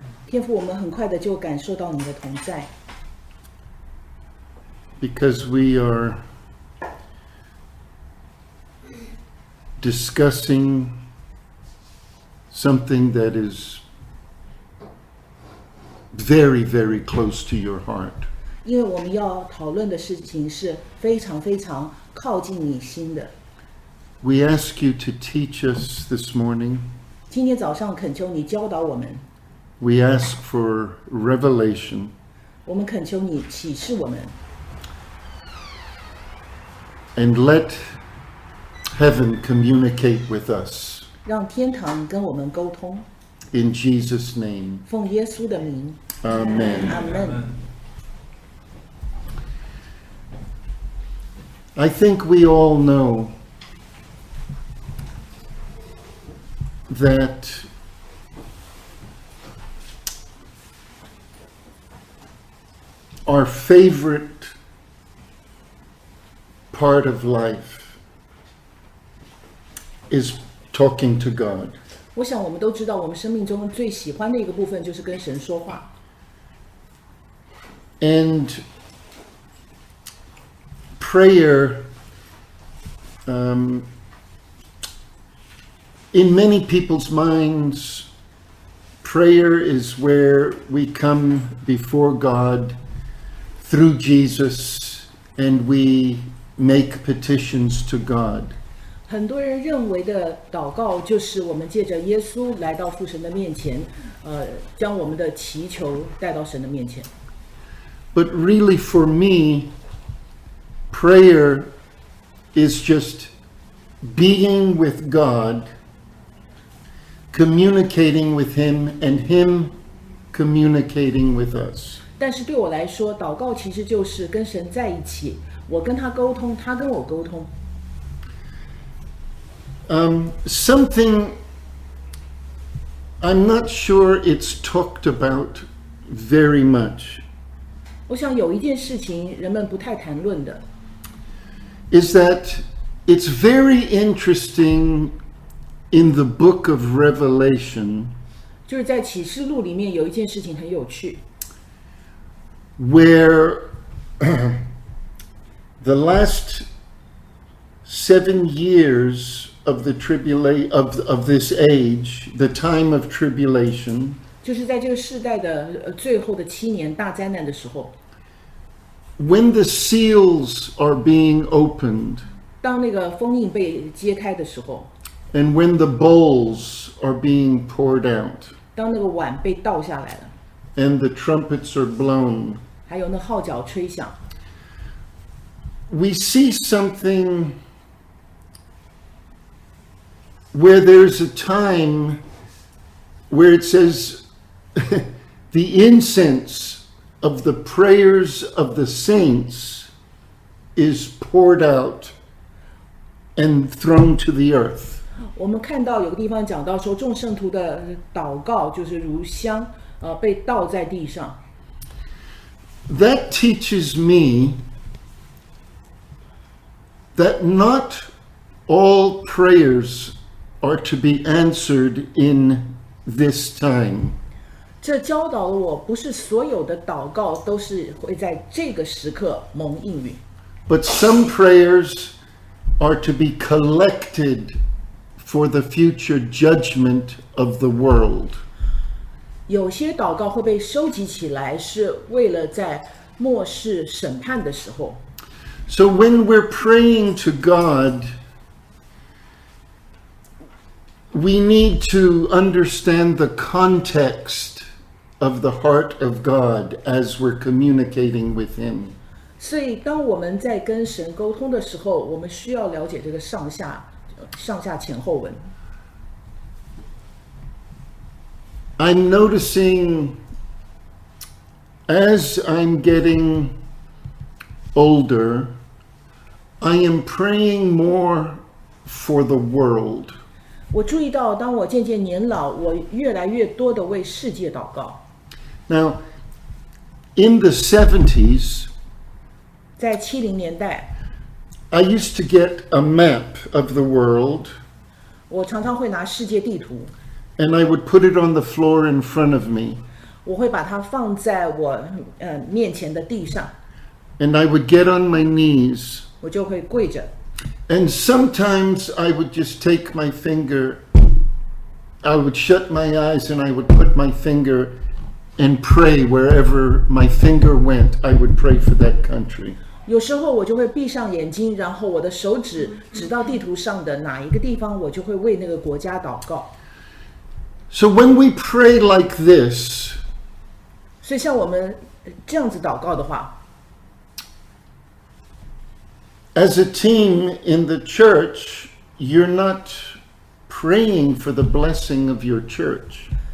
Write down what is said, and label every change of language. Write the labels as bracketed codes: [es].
[zh] 天父，我们很快的就感受到你的同在。 [en] Because we are discussing something that is very, very close to your heart. [zh] 因为我们要讨论的事情是非常非常靠近你心的。 [en] We ask you to teach us this morning. [zh] 今天早上恳求你教导我们。 [en] We ask for revelation. [zh] 我们恳求你启示我们。 [en] And let heaven communicate with us. [zh] 让天堂跟我们沟通。 [en] In Jesus' name. [zh] 奉耶稣的名。 [en] Amen. Amen. I think we all know that our favorite part of life is talking to God. [zh] 我想我们都知道，我们生命中最喜欢的一个部分就是跟神说话。 [en] And prayer, in many people's minds, prayer is where we come before God through Jesus and we make petitions to God. [zh] 很多人认为的祷告就是我们借着耶稣来到父神的面前，将我们的祈求带到神的面前。 [en] But really for me, prayer is just being with God, communicating with Him, and Him communicating with us. [zh] 但是对我来说，祷告其实就是跟神在一起，我跟他沟通，他跟我沟通。 [en] Something I'm not sure it's talked about very much. [zh] 我想有一件事情人们不太谈论的。 [en] Is that it's very interesting in the book of Revelation. [zh] 就是在启示录里面有一件事情很有趣。 [en] Where the last 7 years of this age, the time of tribulation, [zh] 就是在这个世代的最后的七年大灾难的时候。 [en] When the seals are being opened, [zh] 当那个封印被揭开的时候。 [en] And when the bowls are being poured out, [zh] 当那个碗被倒下来了。 [en] And the trumpets are blown, [zh] 还有那号角吹响。 [en] We see something where there's a time where it says the incense of the prayers of the saints is poured out and thrown to the earth. [zh] 我们看到有个地方讲到说众圣徒的祷告就是如香，被倒在地上。 [en] That teaches me that not all prayers are to be answered in this time. [zh] 这教导了我，不是所有的祷告都是会在这个时刻蒙应允。 [en] But some prayers are to be collected for the future judgment of the world. [zh] 有些祷告会被收集起来，是为了在末世审判的时候。 [en] So when we're praying to God, we need to understand the context of the heart of God as we're communicating with Him. [zh] 所以当我们在跟神沟通的时候，我们需要了解这个上下前后文。 [en] I'm noticing as I'm getting older,I am praying more for the world. [zh] 我注意到当我渐渐年老，我越来越多地为世界祷告。 [en] Now, in the 70s, [zh] 在70年代, [en] I used to get a map of the world. [zh] 我常常会拿世界地图。 [en] And I would put it on the floor in front of me. [zh] 我会把它放在我面前的地上。 [en] And I would get on my knees. [zh] 我就会跪着。 [en] And sometimes I would just take my finger, I would shut my eyes and I would put my finger and pray wherever my finger went, I would pray for that country. [zh] 有时候我就会闭上眼睛，然后我的手指指到地图上的哪一个地方，我就会为那个国家祷告。 [en] So when we pray like this, [zh] 所以像我们这样子祷告的话， [en] As a team in the church, you're not praying for the blessing of your church.